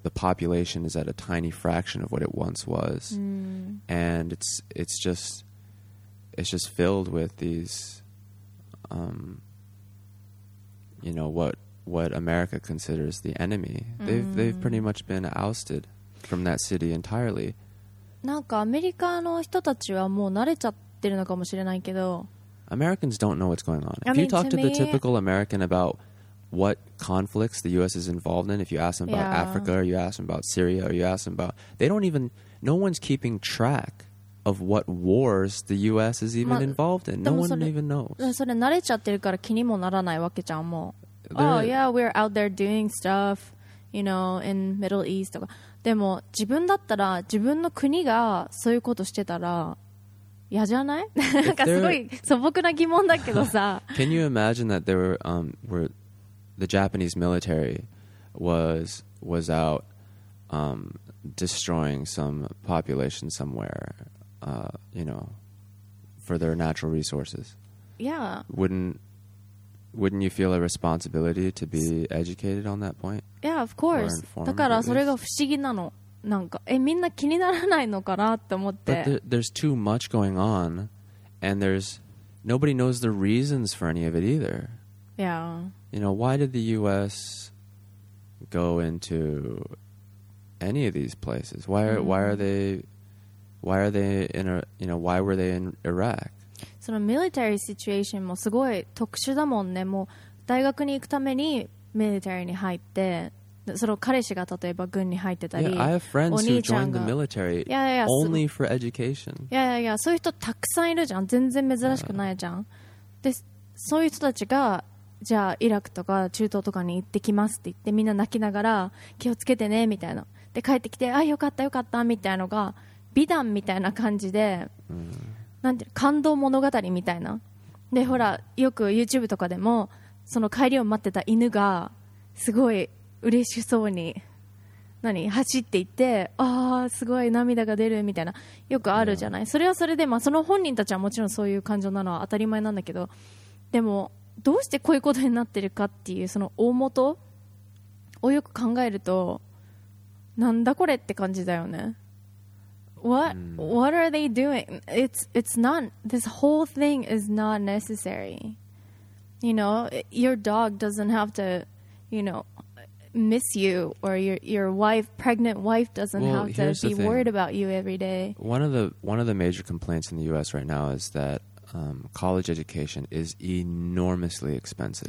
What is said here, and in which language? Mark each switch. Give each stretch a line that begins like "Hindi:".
English: The population is at a tiny fraction of what it once was. Mm. And it's just filled with these, you know, what America considers the enemy. Mm. They've pretty much been ousted from that city entirely.
Japanese: なんかアメリカの人たちはもう慣れちゃってるのかもしれないけど、
English: Americans don't know what's going on. If you talk to the typical American about what conflicts the U.S. is involved in, if you ask them about Africa or you ask them about Syria or you ask them about, they don't even, no one's keeping track of what wars the U.S. is even involved in. No one even knows.
Japanese: それ慣れちゃってるから気にもならないわけじゃん、もう。
English: Oh, yeah, we're out there doing stuff, you know, in Middle East とか。
Japanese: でも自分だったら自分の国がそういうことしてたら嫌じゃない？なんかすごい素朴な疑問だけどさ。
English: Can you imagine that there were the Japanese military was out destroying some population somewhere, you know, for their natural resources? Yeah. Wouldn't you feel a responsibility to be educated on that point? Yeah, of course.
Japanese: だからそれが不思議なの。なんか、みんな気にならないのかなって思って。
English: But there's too much going on, and there's nobody knows the reasons for any of it either. Yeah. You know, why did the U.S. go into any of these places? Why were they in Iraq?
Japanese: そのミリタリーシチュエーションもすごい特殊だもんね。もう大学に行くためにミリタリーに入って、その彼氏が例えば軍に入ってたり、
English: yeah, I have friends who joined the military only for education. Yeah, yeah, yeah.
Japanese: そういう人たくさんいるじゃん。全然珍しくないじゃん。で、そういう人たちがじゃあイラクとか中東とかに行ってきますって言ってみんな泣きながら気をつけてねみたいな。で帰ってきてあよかったよかったみたいなのが美談みたいな感じで、なんていう感動物語みたいな。でほらよく YouTube とかでもその帰りを待ってた犬がすごい嬉しそうに何走っていってあーすごい涙が出るみたいなよくあるじゃない、yeah. それはそれで、まあ、その本人たちはもちろんそういう感情なのは当たり前なんだけど、でもどうしてこういうことになってるかっていうその大元をよく考えるとなんだこれって感じだよね。
English: What are they doing? It's not, this whole thing is not necessary. You know, your dog doesn't have to, you know, miss you, or your wife, pregnant wife doesn't have to be worried about you every day. One of the major complaints in the U.S. right now is that college education is enormously expensive.